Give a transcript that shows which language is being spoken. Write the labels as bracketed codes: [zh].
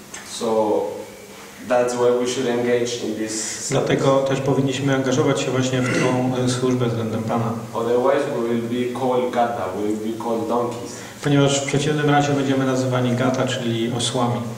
[en] So that's why we should engage in this. [pl] Dlatego też powinniśmy angażować się właśnie w tą służbę względem Pana. [en] Otherwise we will be called gata, we will be called donkeys. [pl] Ponieważ w przeciwnym razie będziemy nazywani gata, czyli osłami.